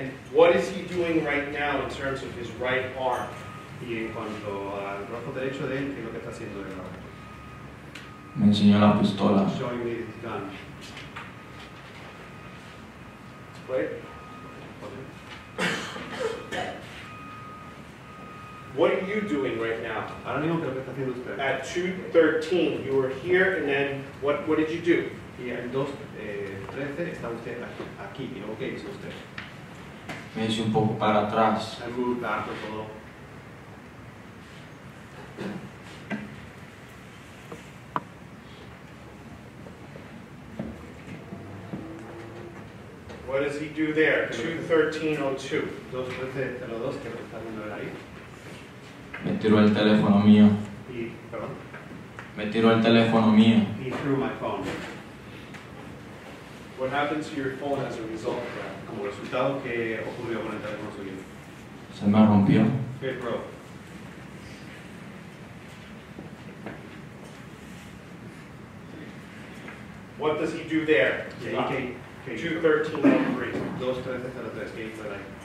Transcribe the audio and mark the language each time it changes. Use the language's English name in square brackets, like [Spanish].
[English] And what is he doing right now in terms of his right arm? [Spanish] Y en cuanto al brazo derecho de él, ¿qué es lo que está haciendo él ahora? Me enseñó la pistola. [English] Showing me his gun. Wait. What are you doing right now? [Spanish] Ahora mismo, ¿qué está haciendo usted? [English] At 2:13, you were here, and then what did you do? [Spanish] Y en 2:13 está usted aquí, y luego, ¿qué hizo usted? Me hice un poco para atrás. [English] I moved back a little. What does he do there? 2:13:02. [Spanish] 2:13:02, ¿qué está haciendo ahí? Me tiró el teléfono mío. [English] He threw my phone. What happened to your phone as a result of that? [Spanish] Como resultado, ¿qué ocurrió con el teléfono suyo? Se me rompió. [English] It broke. What does he do there? Yeah, 2:13:03. [Spanish] 2:13:03, ¿qué hizo ahí?